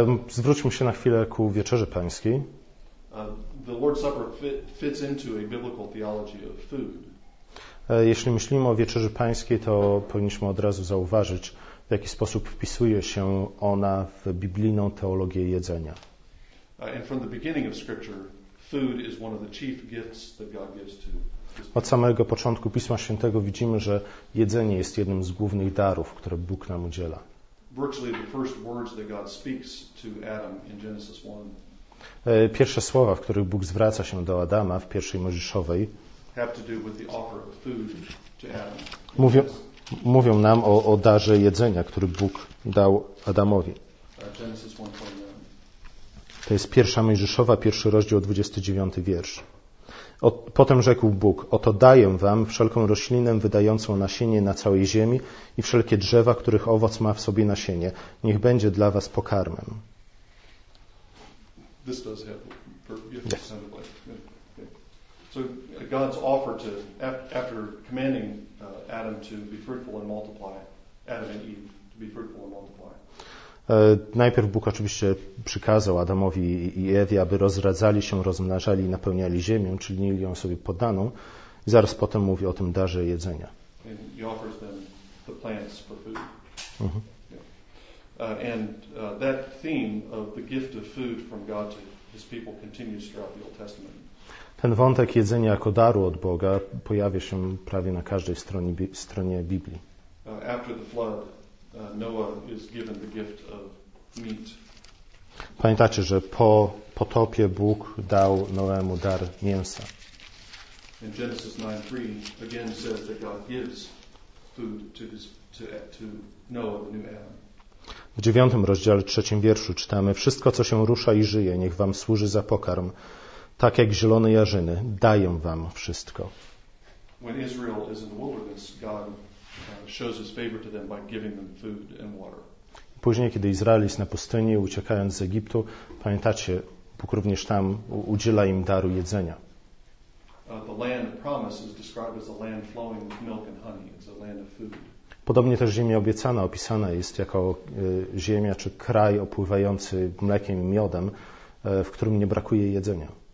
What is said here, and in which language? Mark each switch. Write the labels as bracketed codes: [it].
[pl] Zwróćmy się na chwilę ku Wieczerzy Pańskiej. [en] The Lord's Supper fits into a biblical theology of food. [pl] Jeśli myślimy o Wieczerzy Pańskiej, to powinniśmy od razu zauważyć, w jaki sposób wpisuje się ona w biblijną teologię jedzenia. [en] And from the beginning of Scripture, food is one of the chief gifts that God gives to. [pl] Od samego początku Pisma Świętego widzimy, że jedzenie jest jednym z głównych darów, które Bóg nam udziela. [en] Virtually the first words that God speaks to Adam in Genesis 1. [pl] Pierwsze słowa, w których Bóg zwraca się do Adama w pierwszej Mojżeszowej, [en] have to do with the offer of food to Adam. [pl] Mówią nam o darze jedzenia, który Bóg dał Adamowi. [en] Genesis 1:29. [pl] To jest pierwsza Mojżeszowa, pierwszy rozdział, 29 wiersz. Potem rzekł Bóg: oto daję wam wszelką roślinę wydającą nasienie na całej ziemi i wszelkie drzewa, których owoc ma w sobie nasienie. Niech będzie dla was pokarmem. [en] This does have a purpose. Okay. So God's offer to, after commanding Adam to be fruitful and multiply, Adam and Eve to be fruitful and multiply. [pl] Najpierw Bóg oczywiście przykazał Adamowi i Ewie, aby rozradzali się, rozmnażali i napełniali ziemię, czyli mieli ją sobie poddaną. I zaraz potem mówi o tym darze jedzenia. [en] And he offers them the plants for food. And that theme of the gift of food from God to his people continues throughout the Old Testament. [pl] Ten wątek jedzenia jako daru od Boga pojawia się prawie na każdej stronie Biblii. [en] After the flood, Noah is given the gift of meat. [pl] Pamiętacie, że po potopie Bóg dał Noemu dar mięsa. [en] And Genesis 9:3 again says that God gives food to Noah, the new Adam. [pl] W 9 rozdziale, 3 wierszu czytamy: wszystko, co się rusza i żyje, niech wam służy za pokarm, tak jak zielone jarzyny, daję wam wszystko. [en] When Israel is in the wilderness, God shows his favor to them by giving them food and water. [pl] Później, kiedy Izrael jest na pustyni, uciekając z Egiptu, pamiętacie, Bóg również tam udziela im daru jedzenia. [en] The land promise is described as a land flowing with milk and honey. It's a land of food. [pl] Podobnie też Ziemia Obiecana opisana jest jako ziemia czy kraj opływający mlekiem i miodem, w którym nie brakuje jedzenia.